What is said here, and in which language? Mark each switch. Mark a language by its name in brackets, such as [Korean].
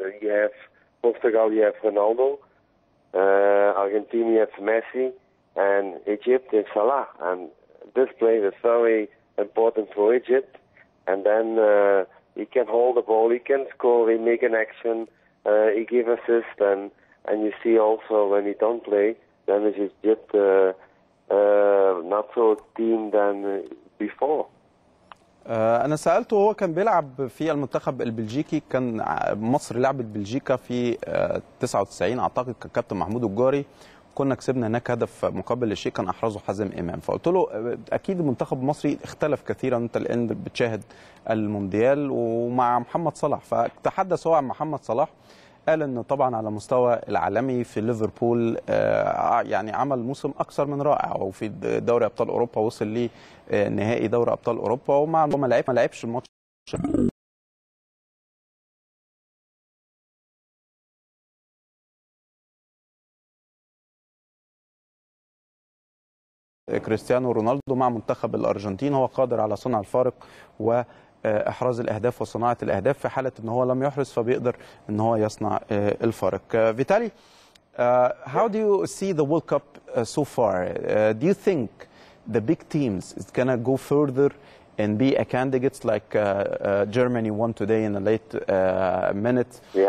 [English] You have Portugal, you have Ronaldo. Argentina has Messi and Egypt is Salah, and this play is very important for Egypt, and then he can hold the ball, he can score, he make an action, he give assist, and you see also when he don't play, then it's Egypt not so team than before. [Arabic] أنا سألته هو كان بيلعب في المنتخب البلجيكي، كان مصر لعبت بلجيكا في 99 أعتقد كابتن محمود الجاري، كنا كسبنا هناك هدف مقابل لشيء كان أحرزه حازم إمام، فقلت له أكيد المنتخب المصري اختلف كثيرا، أنت الآن بتشاهد المونديال ومع محمد صلاح، فتحدث هو عن محمد صلاح، قال أن طبعا على مستوى العالمي في ليفربول يعني عمل موسم أكثر من رائع، وفي دوري أبطال أوروبا وصل لنهائي دوري أبطال أوروبا، ومع ما لعبش الماتش كريستيانو رونالدو مع منتخب الأرجنتين هو قادر على صنع الفارق و احراز الاهداف وصناعه الاهداف، في حاله ان هو لم يحرز فبيقدر ان هو يصنع الفارق. [English] Vitaly, how do you see the World Cup so far? Do you think the big teams is gonna go further and be a candidates like Germany won today in a late minute?